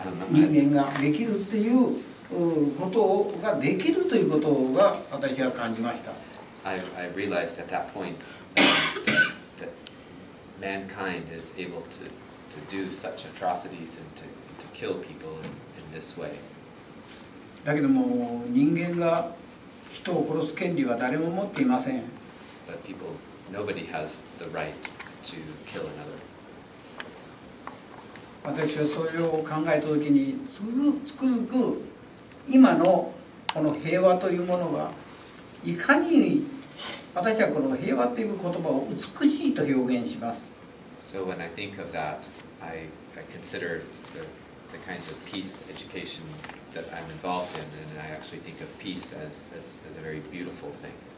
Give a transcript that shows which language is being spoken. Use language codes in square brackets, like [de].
[ja] 人間ができるということができるということが私は感じました。 [en] I realized at that point that mankind is able to do such atrocities and to kill people in this way. [ja] だけども人間が人を殺す権利は誰も持っていません。 [en] But people, nobody has the right to kill another. [ja] 私はそれを考えたときに、つくづく今のこの平和というものがいかに、私はこの平和という言葉を美しいと表現します。 [en] So when I think of that, I consider the kinds of peace education. That I'm involved in, and I actually think of peace as a very beautiful thing.